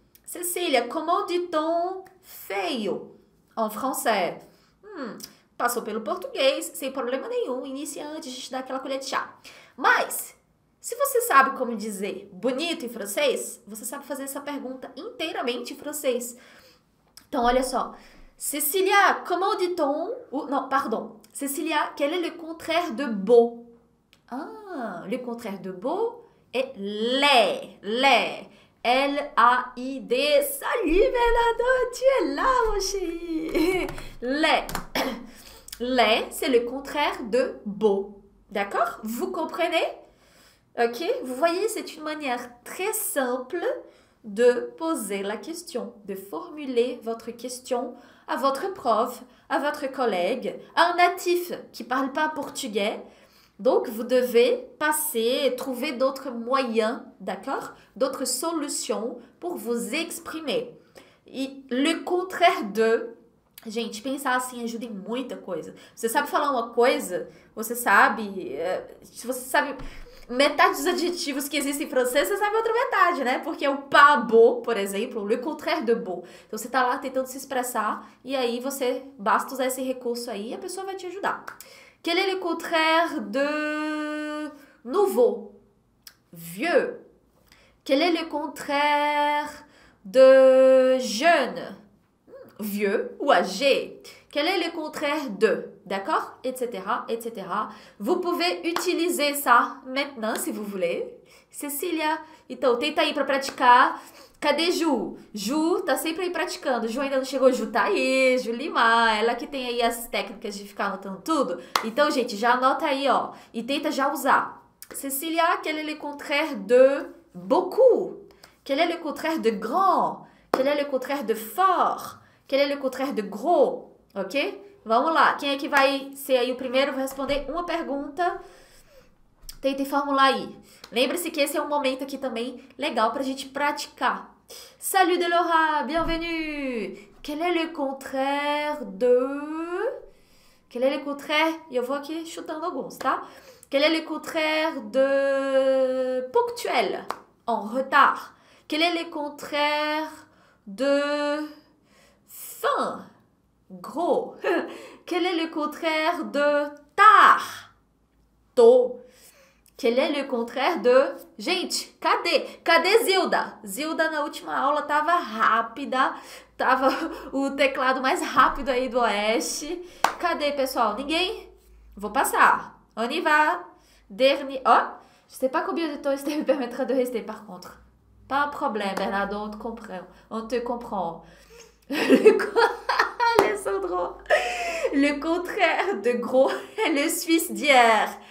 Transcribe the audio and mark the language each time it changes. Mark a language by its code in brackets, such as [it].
[fr] Cecília, comment dit-on feio en français? [pt] Passou pelo português, sem problema nenhum, iniciante, a gente dá aquela colher de chá. Mas, se você sabe como dizer bonito em francês, você sabe fazer essa pergunta inteiramente em francês. Então, olha só. Cecilia, [fr] comment dit-on? [pt] Não, pardon. [fr] Cecilia, quel est le contraire de beau? Ah, le contraire de beau est laid. Laid. L-A-I-D. Salut, Bernardo, tu es là, mon chéri. Laid. Laid, c'est le contraire de beau. D'accord? Vous comprenez? Ok? Vous voyez, c'est une manière très simple de poser la question, de formuler votre question à votre prof, à votre collègue, à un natif qui ne parle pas portugais. Donc, vous devez passer, trouver d'autres moyens, d'accord? D'autres solutions pour vous exprimer. Et le contraire de. [pt] Gente, pensar assim ajuda em muita coisa. Você sabe falar uma coisa? Você sabe? Se você sabe metade dos adjetivos que existem em francês, você sabe outra metade, né? Porque é o pas beau, por exemplo, [fr] le contraire de beau. [pt] Então você tá lá tentando se expressar e aí você basta usar esse recurso aí e a pessoa vai te ajudar. [fr] Quel est le contraire de nouveau? Vieux. Quel est le contraire de jeune? Vieux ou âgé? Quel est le contraire de? D'accord? Etc. Etc. Vous pouvez utiliser ça maintenant si vous voulez. [pt] Cecilia, então tenta aí para praticar. Cadê Ju? Ju tá sempre aí praticando. Ju ainda não chegou. Ju tá aí. Ju Lima, ela que tem aí as técnicas de ficar anotando tudo. Então, gente, já anota aí, ó. E tenta já usar. [fr] Cecilia, quel est le contraire de beaucoup? Quel est le contraire de grand? Quel est le contraire de fort? Quel est le contraire de gros? [pt] Ok? Vamos lá. Quem é que vai ser aí o primeiro? Vou responder uma pergunta. Tente formular aí. Lembre-se que esse é um momento aqui também legal pra gente praticar. [fr] Salut, Delora! Bienvenue! Quel est le contraire de... Quel est le contraire... [pt] Eu vou aqui chutando alguns, tá? [fr] Quel est le contraire de... Ponctuel. En retard. Quel est le contraire de... Fin. Gros. Quel est le contraire de tard? Tôt. Quel est le contraire de... [pt] Gente, cadê? Cadê Zilda? Zilda, na última aula, tava rápida. Tava o teclado mais rápido aí do Oeste. Cadê, pessoal? Ninguém? Vou passar. [fr] On y va. Dernier. Oh, je sais pas combien de temps il me permettra de rester, par contre. Pas un problème, Bernardo, on te comprend. On te comprend. Alessandro, le contraire de gros est le suisse d'hier.